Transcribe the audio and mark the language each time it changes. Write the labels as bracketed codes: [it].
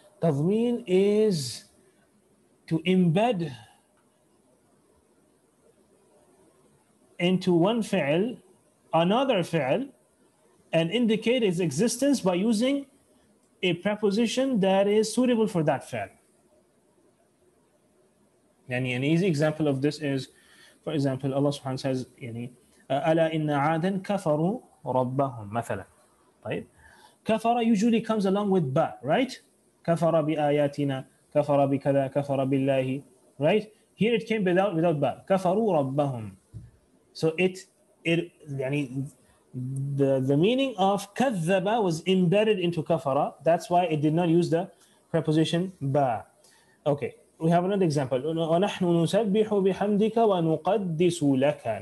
[en] Tazmeen is to embed into one fi'l, another fi'l, and indicate its existence by using a preposition that is suitable for that fi'l. Yani an easy example of this is, for example, Allah subhanahu wa ta'ala says, yani, [ar] أَلَا إِنَّ عَادًا كَفَرُوا رَبَّهُمْ مَثَلًا. [en] طيب. كَفَرَ usually comes along with ba, right? [ar] كفر بآياتنا كفر بكذا كفر بالله, right? [en] Here it came without ba. [ar] كفروا ربهم. [en] So it يعني the meaning of كذب was embedded into كفر. That's why it did not use the preposition ba. Okay, we have another example. [ar] ونحن نسبح بحمدك ونقدس لك.